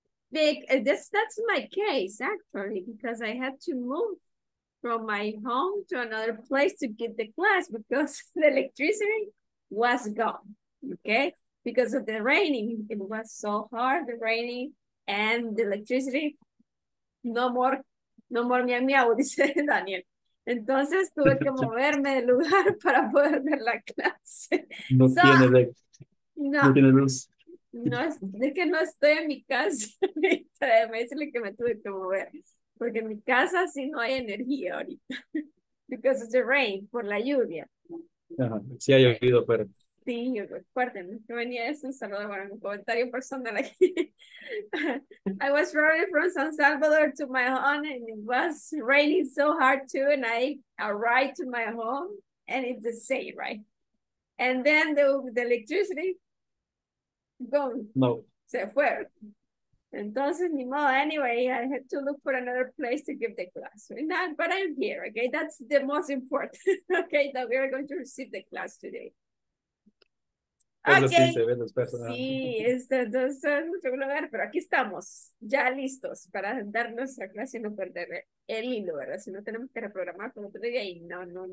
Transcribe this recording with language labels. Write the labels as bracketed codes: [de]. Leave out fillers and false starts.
[en] That's my case actually, because I had to move from my home to another place to get the class because the electricity was gone. Okay, because of the raining, it was so hard, the raining and the electricity. No more miau miau, dice Daniel. [es] Entonces tuve que moverme del lugar para poder ver la clase. No [en] So, [es] tiene de, no no. tiene luz. No es, es que no estoy en mi casa, me dice que me tuve que mover, porque en mi casa sí no hay energía ahorita, because of the rain, por la lluvia. Sí ha llovido, pero Sí, recuerden, no es que venía eso, un saludo, bueno, un comentario personal aquí. [en] I was running from San Salvador to my home, and it was raining so hard too, and I arrived to my home, and it's the same, right? And then the electricity. Gone. no. Se fue. Entonces, ni modo. Anyway, I had to look for another place to give the class. Not, but I'm here, okay? That's the most important, okay? That we are going to receive the class today. [es] Eso sí se [en] Okay. [es] ve los personajes. Sí, entonces, mucho lugar, pero aquí estamos, ya listos para dar nuestra clase y no perder el hilo, ¿verdad? Si no tenemos que reprogramar como otro día, y no.